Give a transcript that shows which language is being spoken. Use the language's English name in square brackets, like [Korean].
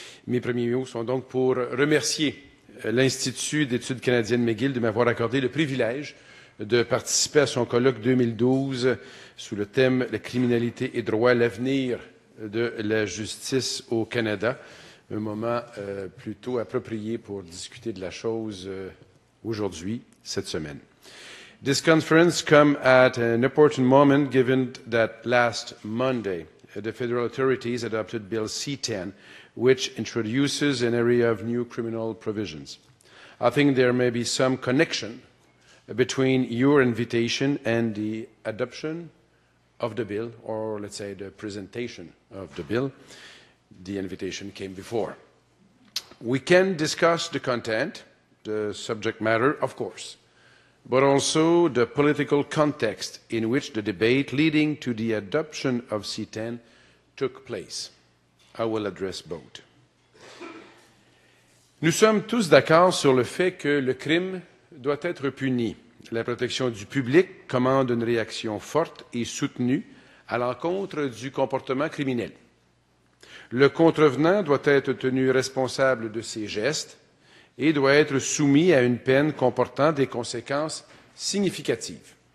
[French] Mes premiers mots sont donc pour remercier l'Institut d'études canadiennes McGill de m'avoir accordé le privilège de participer à son colloque 2012 sous le thème « La criminalité et droit, l'avenir de la justice au Canada », un moment plutôt approprié pour discuter de la chose aujourd'hui, cette semaine. [English] This conference comes at an important moment given that last Monday the federal authorities adopted Bill C-10, which introduces an area of new criminal provisions. I think there may be some connection between your invitation and the adoption of the bill, or let's say the presentation of the bill. The invitation came before. We can discuss the content, the subject matter, of course, but also the political context in which the debate leading to the adoption of C-10 took place. I will address both. [French] Nous sommes tous d'accord sur le fait que le crime doit être puni. La protection du public commande une réaction forte et soutenue à l'encontre du comportement criminel. Le contrevenant doit être tenu responsable de ses gestes et doit être soumis à une peine comportant des conséquences significatives.